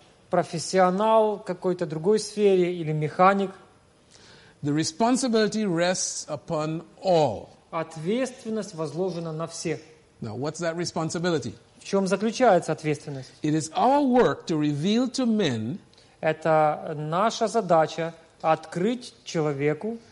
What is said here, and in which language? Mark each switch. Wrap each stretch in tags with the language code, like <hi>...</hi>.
<ru>профессионал какой-то другой сфере или механик.</ru> <en>The responsibility rests upon all.</en> <ru>Ответственность возложена на всех.</ru> <en>Now, what's that responsibility?</en> <ru>В чем заключается ответственность?</ru> <en>It is our work to reveal to men.</en> <ru>Это наша задача открыть человеку</ru>